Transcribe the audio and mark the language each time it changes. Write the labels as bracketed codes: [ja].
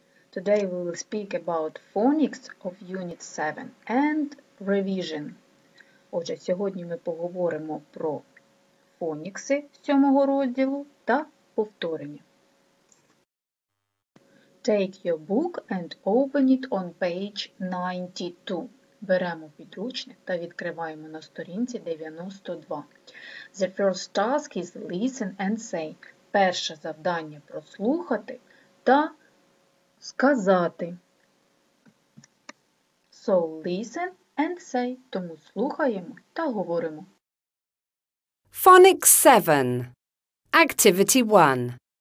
[en] Today we will speak about phonics of Unit 7 and revision. [uk] Отже, сьогодні ми поговоримо про фонікси 7-го розділу та повторення. [en] Take your book and open it on page 92. [uk] Беремо підручник та відкриваємо на сторінці 92. [en] The first task is listen and say. [uk] Перше завдання – прослухати та сказати. [en] So listen and say. [uk] Тому слухаємо та говоримо. [en] Phonics 7. Activity 1.